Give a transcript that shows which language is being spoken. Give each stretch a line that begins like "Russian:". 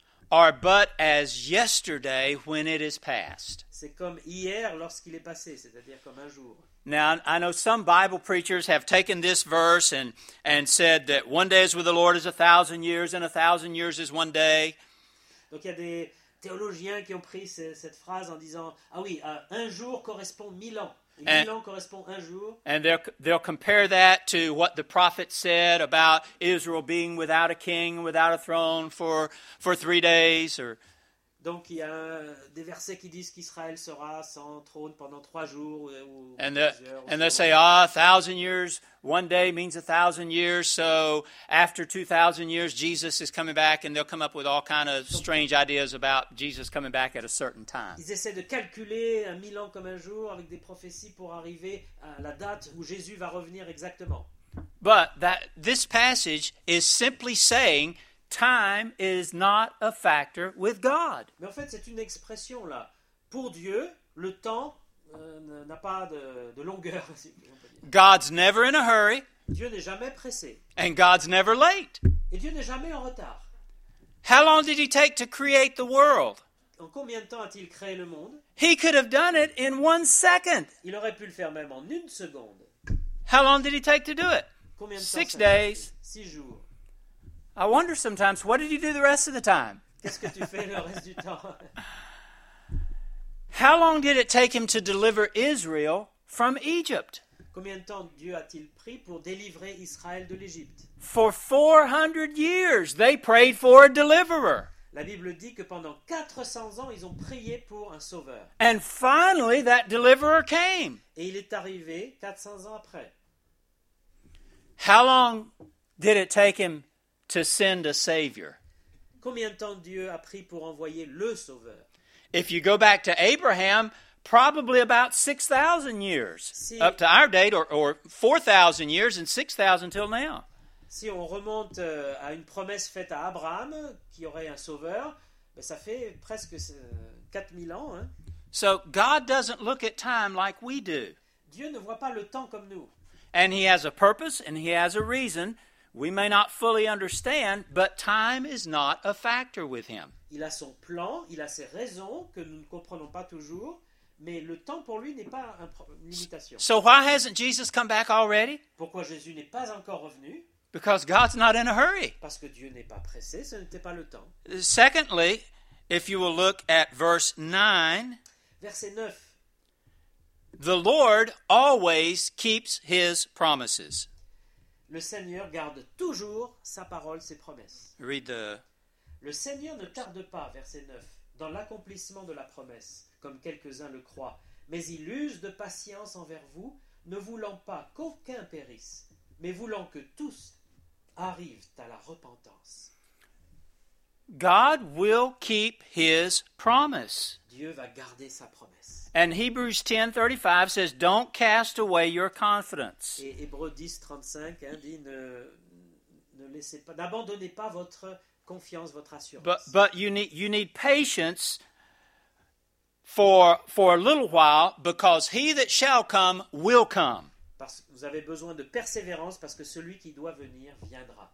English: Are but as yesterday when it is past.
French: C'est comme hier lorsqu'il est passé, c'est-à-dire comme un jour.
English: Now I know some Bible preachers have taken this verse and said that one day is with the Lord is 1,000 years and 1,000 years is one day.
French: Donc il y a des théologiens qui ont pris cette phrase en disant ah oui un jour correspond 1000 ans.
English: And they'll compare that to what the prophet said about Israel being without a king, without a throne for 3 days.
French: Or donc il y a des versets qui disent qu'Israël sera sans trône pendant 3 jours.
English: And they'll say, ah, 1,000 years, one day means 1,000 years. So after 2,000 years, Jesus is coming back, and they'll come up with all kinds of strange ideas about Jesus coming back at a certain time.
French: Ils essaient de calculer 1000 ans comme un jour avec des prophéties pour arriver à la date où Jésus va revenir exactement.
English: But this passage is simply saying, time is not a factor with God.
French: Mais en fait, c'est une expression là. Pour Dieu, le temps n'a pas de longueur.
English: God's never in a hurry.
French: Dieu n'est jamais pressé.
English: And God's never late.
French: Et Dieu n'est jamais en retard.
English: How long did he take to create the world?
French: En combien de temps a-t-il créé le monde?
English: He could have done it in 1 second.
French: Il aurait pu le faire même en une seconde.
English: How long did he take to do it?
French: Combien de temps?
English: 6 days.
French: 6 jours.
English: I wonder sometimes, what did you do the rest of the time?
French: Qu'est-ce que tu fais le reste du temps?
English: How long did it take him to deliver Israel from Egypt?
French: Combien de temps Dieu a-t-il pris pour délivrer Israël de l'Égypte?
English: For 400 years, they prayed for a deliverer.
French: La Bible dit que pendant 400 ans, ils ont prié pour un sauveur.
English: And finally, that deliverer came.
French: Et il est arrivé 400 ans après.
English: How long did it take him to send a savior?
French: Combien de temps Dieu a pris pour envoyer le sauveur?
English: If you go back to Abraham, probably about 6,000 years up to our date, or 4,000 years and 6,000 till now.
French: Si on remonte à une promesse faite à Abraham qui aurait un sauveur, ben ça fait presque 4000 ans. Hein?
English: So God doesn't look at time like we do.
French: Dieu ne voit pas le temps comme nous.
English: And he has a purpose and he has a reason. We may not fully understand, but time is not a factor with him.
French: Il a son plan, il a ses raisons que nous ne comprenons pas toujours, mais le temps pour lui n'est pas une limitation.
English: So why hasn't Jesus come back already?
French: Pourquoi Jésus n'est pas encore revenu?
English: Because God's not in a hurry.
French: Parce que Dieu n'est pas pressé, ce n'était pas le temps.
English: Secondly, if you will look at verse 9,
French: verset 9,
English: the Lord always keeps his promises.
French: Le Seigneur garde toujours sa parole, ses promesses.
English: Read the...
French: Le Seigneur ne tarde pas, verset 9, dans l'accomplissement de la promesse, comme quelques-uns le croient, mais il use de patience envers vous, ne voulant pas qu'aucun périsse, mais voulant que tous arrivent à la repentance.
English: God will keep his promise.
French: Dieu va garder sa promesse.
English: And Hebrews 10:35 says, don't cast away your confidence.
French: Et Hébreux 10:35 dit, ne laissez pas, n'abandonnez pas votre confiance, votre assurance.
English: But you need patience for a little while, because he that shall come will come.
French: Parce que vous avez besoin de persévérance, parce que celui qui doit venir viendra.